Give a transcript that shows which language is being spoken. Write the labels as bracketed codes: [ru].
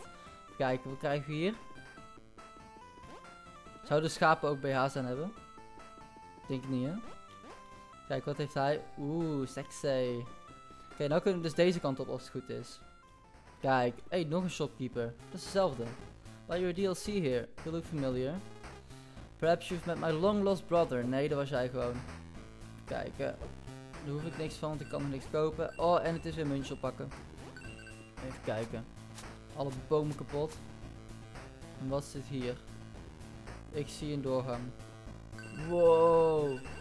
[nl] Even kijken, wat krijgen we hier? Zouden schapen ook BH's aan hebben? Denk ik niet, hè? Kijk, wat heeft hij? Oeh, sexy. Oké, nou kunnen we dus deze kant op als het goed is. Kijk, hé, hey, nog een shopkeeper. Dat is hetzelfde. [en] By your DLC here. You look familiar. Perhaps you've met my long lost brother. [nl] Nee, dat was jij gewoon. Kijk, daar hoef ik niks van, want ik kan nog niks kopen. Oh, en het is weer muntje oppakken. Even kijken. Alle bomen kapot. En wat zit hier? Ik zie een doorgang. Wow.